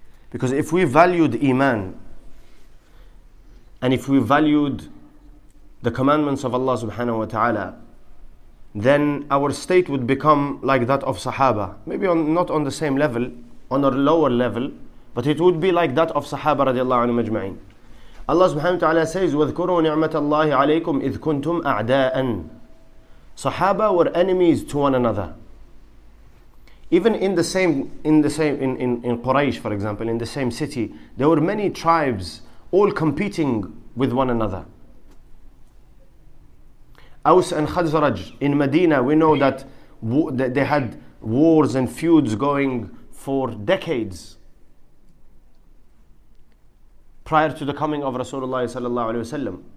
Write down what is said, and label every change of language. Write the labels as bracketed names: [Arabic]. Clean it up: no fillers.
[English] Because if we valued iman, and if we valued the commandments of Allah subhanahu wa ta'ala, then our state would become like that of sahaba. Maybe not on the same level, on a lower level, but it would be like that of sahaba radiallahu anhu majma'in. Allah subhanahu wa ta'ala says, [Arabic] وَذْكُرُوا نِعْمَةَ اللَّهِ عَلَيْكُمْ إِذْ كُنْتُمْ أَعْدَاءً. [English] Sahaba were enemies to one another. Even in Quraysh, for example, in the same city, there were many tribes all competing with one another. Aus and Khazraj in Medina, we know that they had wars and feuds going for decades prior to the coming of Rasulullah sallallahu alaihi wasallam.